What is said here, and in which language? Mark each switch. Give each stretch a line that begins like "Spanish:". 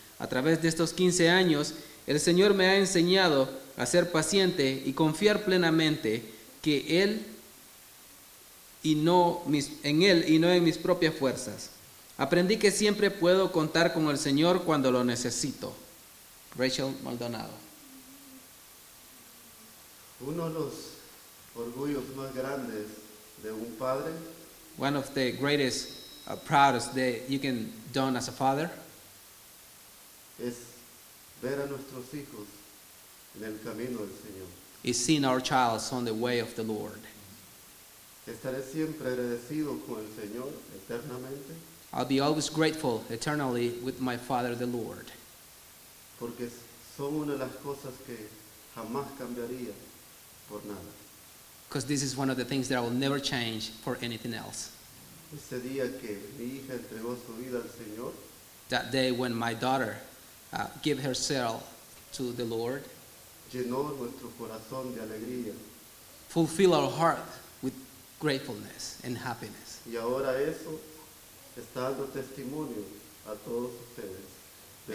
Spanish: A través de estos 15 años, el Señor me ha enseñado a ser paciente y confiar plenamente que Él y no en Él y no en mis propias fuerzas. Aprendí que siempre puedo contar con el Señor cuando lo necesito. Rachel Maldonado. Uno de los orgullos más grandes de un padre.
English: One of the greatest proudest that you can do as a father.
Spanish: Es ver a nuestros hijos en el camino del Señor.
English: Is seeing our child on the way of the Lord.
Spanish: Estaré siempre agradecido con el Señor eternamente.
English: I'll be always grateful eternally with my Father the Lord.
Spanish: Porque son una de las cosas que jamás cambiaría por nada.
English: Because this is one of the things that I will never change for anything else.
Spanish: Ese día que mi hija entregó su vida al Señor.
English: That day when my daughter gave herself to the Lord.
Spanish: Llenó nuestro corazón de alegría.
English: Fulfill our heart with gratefulness and happiness.
Spanish: Y ahora eso está dando testimonio a todos ustedes.